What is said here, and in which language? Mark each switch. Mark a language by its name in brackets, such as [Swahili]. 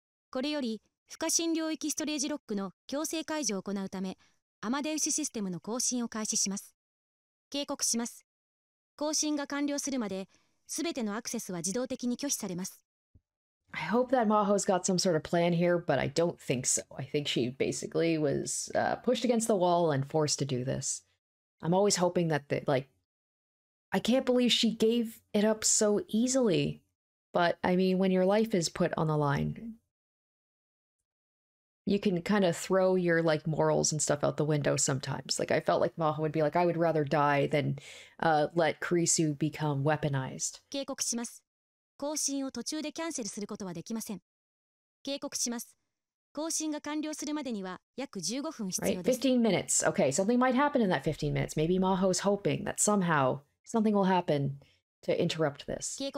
[Japanese] これより、不可侵領域ストレージロックの強制解除を行うため、アマデウスシステムの更新を開始します。警告します。更新が完了するまで、すべてのアクセスは自動的に拒否されます。 [English] I hope that Maho's got some sort of plan here, but I don't think so. I think she basically was pushed against the wall and forced to do this. I'm always hoping that, I can't believe she gave it up so easily. But, I mean, when your life is put on the line, you can kind of throw your, morals and stuff out the window sometimes. I felt like Maho would be like, I would rather die than let Kirisu become weaponized. [Japanese] 更新を途中でキャンセルすることはできません 警告します。更新が完了するまでには約 15分必要です。 [English] Right, 15 minutes. Okay, something might happen in that 15 minutes. Maybe Maho's hoping that somehow something will happen to interrupt this.